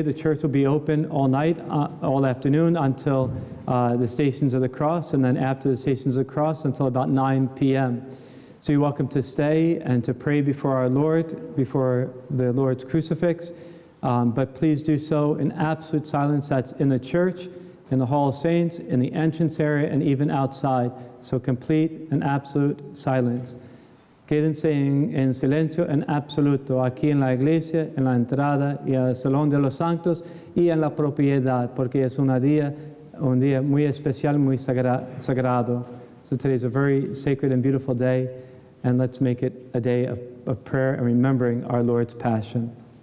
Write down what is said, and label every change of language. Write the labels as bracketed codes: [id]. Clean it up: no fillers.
[en] The church will be open all night, all afternoon until the Stations of the Cross, and then after the Stations of the Cross until about 9 p.m. So you're welcome to stay and to pray before our Lord, before the Lord's crucifix. But please do so in absolute silence. That's in the church, in the Hall of Saints, in the entrance area, and even outside. So complete and absolute silence. [es] Quédense en silencio en absoluto aquí en la iglesia, en la entrada y al salón de los santos y en la propiedad, porque es un día muy especial, muy sagrado. [en] So today is a very sacred and beautiful day, and let's make it a day of prayer and remembering our Lord's Passion.